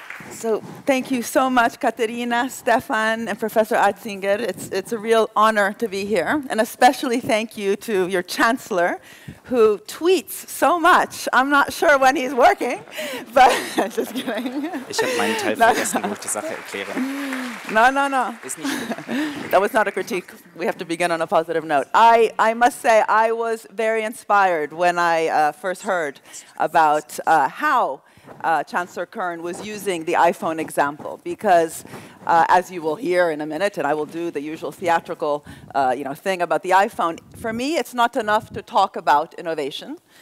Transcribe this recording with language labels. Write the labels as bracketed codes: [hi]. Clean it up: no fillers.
[en] So thank you so much, Katerina, Stefan, and Professor Atzinger. It's a real honor to be here. And especially thank you to your chancellor, who tweets so much. I'm not sure when he's working, but just kidding. [de] Ich habe meinen Teil vergessen, wo ich die Sache erkläre. [en] No. That was not a critique. We have to begin on a positive note. I must say, I was very inspired when I first heard about how Chancellor Kern was using the iPhone example, because as you will hear in a minute, and I will do the usual theatrical thing about the iPhone, for me it's not enough to talk about innovation.